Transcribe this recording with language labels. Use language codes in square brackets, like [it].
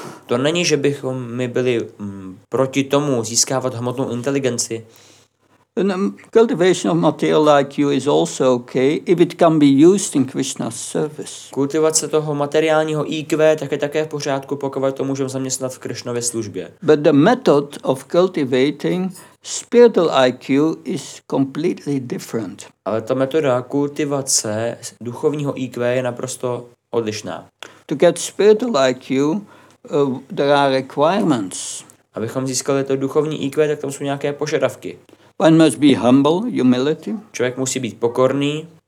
[cs] To není, že bychom my byli proti tomu získávat hmotnou inteligenci. [en] Cultivation of material like you is also okay if it can be used in Krishna's service. [cs] Kultivace toho materiálního IQ tak je také v pořádku, pokud to můžeme zaměstnat v Krishnově službě. [en] But the method of cultivating spiritual IQ is completely different. [cs] Ale ta metoda kultivace duchovního IQ je naprosto odlišná. [en] To get spiritual IQ, there are requirements. [cs] Abychom získali to duchovní IQ, tak tam jsou nějaké požadavky. [en] One must be humble, humility. [cs] Člověk musí být pokorný.